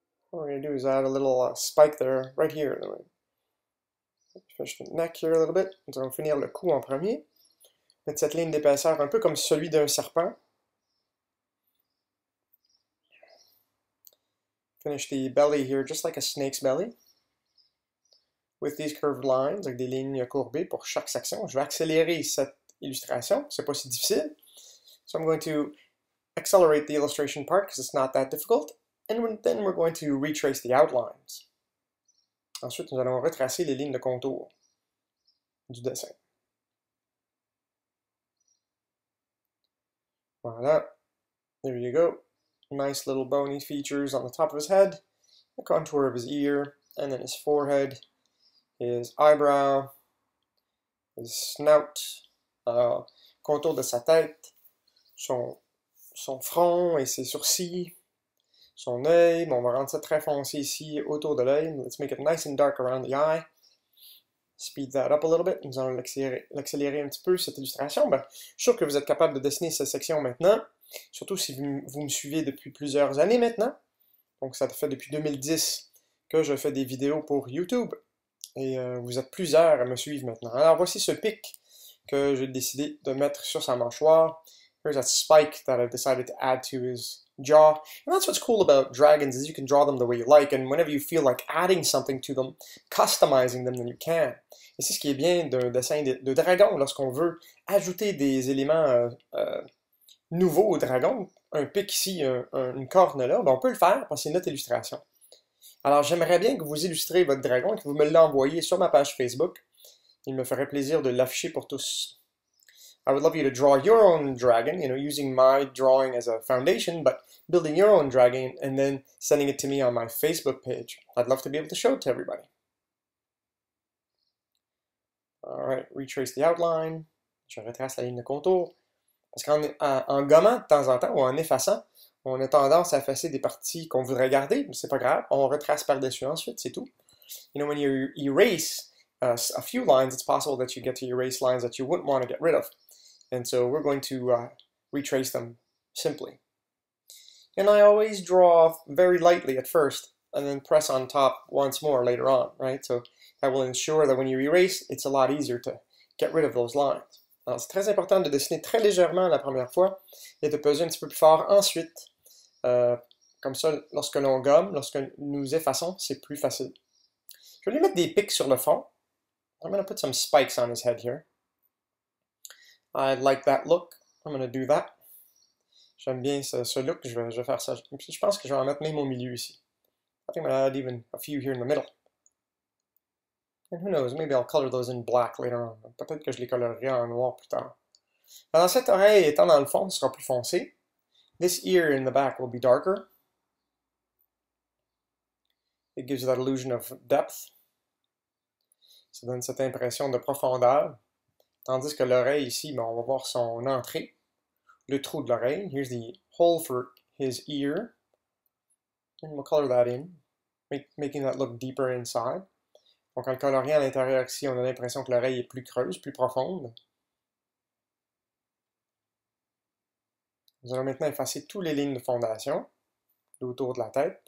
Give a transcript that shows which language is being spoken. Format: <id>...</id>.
<en>What we're gonna do is add a little spike there, right here. Anyway. Finish the neck here a little bit.</en> <fr>Nous allons finir le cou en premier. Mettre cette ligne d'épaisseur un peu comme celui d'un serpent.</fr> <en>Finish the belly here just like a snake's belly. With these curved lines,</en> <fr>avec des lignes courbées pour chaque section. Je vais accélérer cette illustration. C'est pas si difficile.</fr> <en>So I'm going to accelerate the illustration part because it's not that difficult. And then we're going to retrace the outlines.</en> <fr>Ensuite, nous allons retracer les lignes de contour du dessin. Voilà.</fr> <en>There you go. Nice little bony features on the top of his head, the contour of his ear, and then his forehead, his eyebrow, his snout,</en> <fr>contour de sa tête, son front et ses sourcils. Son œil, bon, on va rendre ça très foncé ici, autour de l'œil.</fr> <en>Let's make it nice and dark around the eye. Speed that up a little bit.</en> <fr>Nous allons l'accélérer un petit peu, cette illustration. Ben, je suis sûr que vous êtes capable de dessiner cette section maintenant. Surtout si vous me suivez depuis plusieurs années maintenant. Donc, ça fait depuis 2010 que je fais des vidéos pour YouTube. Et vous êtes plusieurs à me suivre maintenant. Alors, voici ce pic que j'ai décidé de mettre sur sa mâchoire.</fr> <en>Here's that spike that I've decided to add to his jaw. And that's what's cool about dragons, is you can draw them the way you like, and whenever you feel like adding something to them, customizing them, then you can.</en> <fr>Et c'est ce qui est bien d'un dessin de dragon, lorsqu'on veut ajouter des éléments nouveaux au dragon, un pic ici, une corne là, ben on peut le faire, parce que c'est notre illustration. Alors j'aimerais bien que vous illustrez votre dragon, et que vous me l'envoyez sur ma page Facebook. Il me ferait plaisir de l'afficher pour tous.</fr> <en>I would love you to draw your own dragon, you know, using my drawing as a foundation, but building your own dragon and then sending it to me on my Facebook page. I'd love to be able to show it to everybody. All right, retrace the outline.</en> <fr>Je retrace la ligne de contour. Parce qu'en gommant de temps en temps ou en effaçant, on a tendance à effacer des parties qu'on voudrait garder, mais c'est pas grave, on retrace par-dessus ensuite, c'est tout.</fr> <en>You know, when you erase a few lines, it's possible that you get to erase lines that you wouldn't want to get rid of. And so we're going to retrace them simply. And I always draw very lightly at first and then press on top once more later on, right? So that will ensure that when you erase, it's a lot easier to get rid of those lines.</en> <fr>Alors, c'est très important de dessiner très légèrement la première fois et de peser un petit peu plus fort ensuite. Comme ça, lorsque l'on gomme, lorsque nous effaçons, c'est plus facile. Je vais lui mettre des pics sur le fond.</fr> <en>I'm going to put some spikes on his head here. I like that look. I'm going to do that.</en> <fr>J'aime bien ce look. Je vais faire ça. Et puis, je pense que je vais en mettre même au milieu ici.</fr> <en>I think I'm going to add even a few here in the middle. And who knows, maybe I'll color those in black later on.</en> <fr>Peut-être que je les colorerai en noir plus tard. Alors cette oreille étant dans le fond, sera plus foncée.</fr> <en>This ear in the back will be darker. It gives that illusion of depth.</en> <fr>Ça donne cette impression de profondeur. Tandis que l'oreille ici, ben, on va voir son entrée. Le trou de l'oreille.</fr> <en>Here's the hole for his ear. And we'll color that in, making that look deeper inside.</en> <fr>Donc, en le coloriant à l'intérieur ici, on a l'impression que l'oreille est plus creuse, plus profonde. Nous allons maintenant effacer toutes les lignes de fondation autour de la tête.</fr>